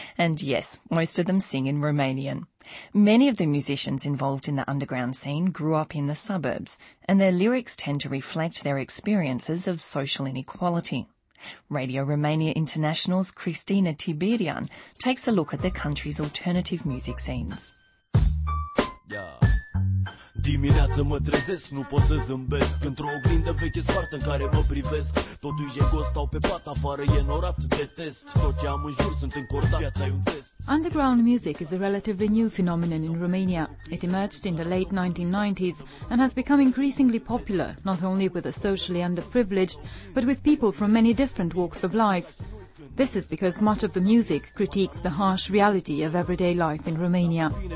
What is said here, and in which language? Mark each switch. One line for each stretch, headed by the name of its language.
English: And yes, most of them sing in Romanian. Many of the musicians involved in the underground scene grew up in the suburbs, and their lyrics tend to reflect their experiences of social inequality. Radio Romania International's Cristina Tiberian takes a look at the country's alternative music scenes. Yeah.
Romanian: Dimineața mă trezesc, nu pot să zâmbesc. Într-o oglindă veche soartă în care mă privesc. Totuși e gost, stau pe pat, afară e norat, detest. Tot ce am în jur sunt încordat, viața e un test.
English: Underground music is a relatively new phenomenon in Romania. It emerged in the late 1990s and has become increasingly popular, not only with the socially underprivileged, but with people from many different walks of life. This is because much of the music critiques the harsh reality of everyday life in Romania.